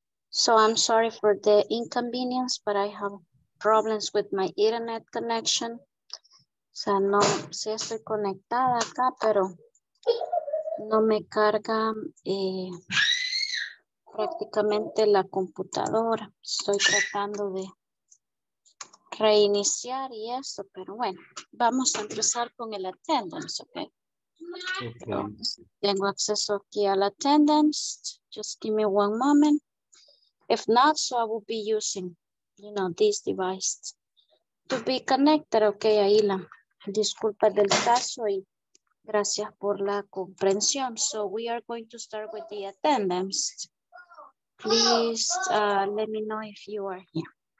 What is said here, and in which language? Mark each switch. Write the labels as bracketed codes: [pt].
[en] So I'm sorry for the inconvenience, but I have problems with my internet connection. [es] O sea, no sé, estoy conectada acá, pero no me carga prácticamente la computadora. Estoy tratando de reiniciar y eso, pero bueno, vamos a empezar con el attendance, ¿ok? [en] Okay. [es] Tengo acceso aquí al attendance. [en] Just give me one moment. If not, so I will be using, you know, this device to be connected. Okay, Aila. [es] Disculpa del caso y gracias por la comprensión. [en] So we are going to start with the attendance. Please let me know if you are here.